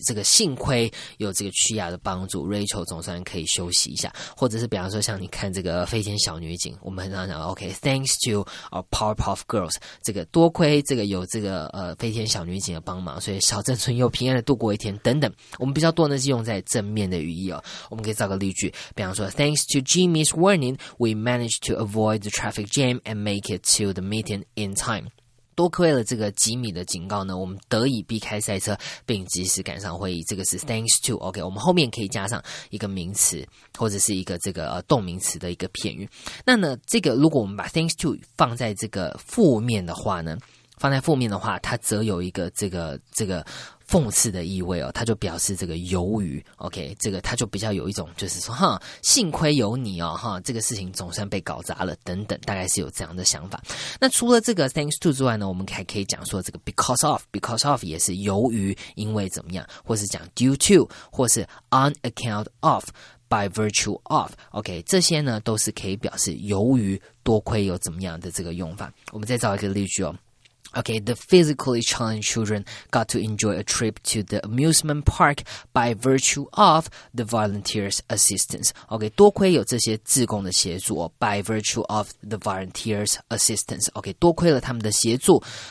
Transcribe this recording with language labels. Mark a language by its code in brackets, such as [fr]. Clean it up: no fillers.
[zh] 这个幸亏有这个屈雅的帮助 ，Rachel 总算可以休息一下，或者是比方说像你看这个《飞天小女警》，我们很常讲 [en] OK, thanks to our Powerpuff Girls， [zh] 这个多亏这个有这个《飞天小女警》的帮忙，所以小镇村又平安的度过一天等等。我们比较多呢是用在正面的语义哦。我们可以造个例句，比方说 [en] Thanks to Jimmy's warning, we managed to avoid the traffic jam and make it to the meeting in time. [zh] 多亏了这个吉米的警告呢，我们得以避开赛车，并及时赶上会议。这个是 thanks to。 OK， 我们后面可以加上一个名词，或者是一个这个动名词的一个片语。那呢，这个如果我们把 thanks to 放在这个负面的话呢，放在负面的话，它则有一个这个讽刺的意味哦，它就表示这个鱿鱼。OK， 这个它就比较有一种就是说，哈，幸亏有你哦，哈，这个事情总算被搞砸了等等，大概是有这样的想法。那除了这个 thanks to 之外呢，我们还可以讲说这个 because of 也是由于，因为怎么样，或是讲 due to， 或是 on account of。 [en] By virtue of, [zh] OK, 这些呢都是可以表示由于多亏有怎么样的这个用法。我们再找一个例句哦。 [en] OK, the physically challenged children got to enjoy a trip to the amusement park by virtue of the volunteers' assistance. [zh] OK, 多亏有这些志工的协助哦。 [en] By virtue of the volunteers' assistance. [zh] OK, 多亏了他们的协助。